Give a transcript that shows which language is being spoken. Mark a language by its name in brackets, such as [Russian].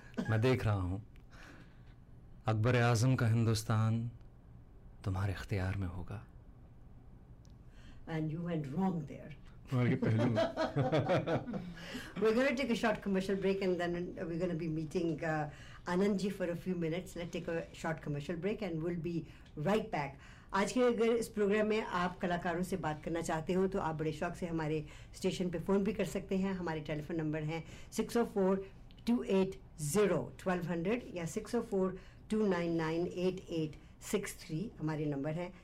[Hindi] मैं देख रहा हूँ अकबर आजम का हिंदुस्तान तुम्हारे अख्तियार में होगा. [English] And you went wrong there. We're going to take a short commercial break and then we're going to be meeting Anand ji for a few minutes. Let's take a short commercial break and we'll be right back. [Hindi] आज के अगर इस programme में आप कलाकारों से बात करना चाहते हो तो आप बड़े शौक से हमारे स्टेशन पे फोन भी कर सकते हैं. हमारे टेलीफोन नंबर हैं 604-280-1200 या 604-299-8863 हमारे नंबर है.